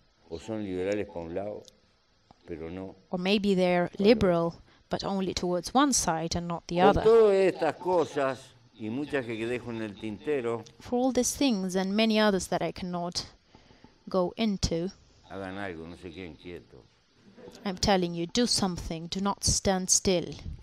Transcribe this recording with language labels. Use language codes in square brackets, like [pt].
[es] O son liberales por un lado, pero no [en] or maybe they are liberal, but only towards one side and not the [es] con [en] other. [es] Todas estas cosas, y muchas que dejo en el tintero, [en] for all these things and many others that I cannot go into, [es] hagan algo, no se queden quietos. [en] I'm telling you, do something, do not stand still.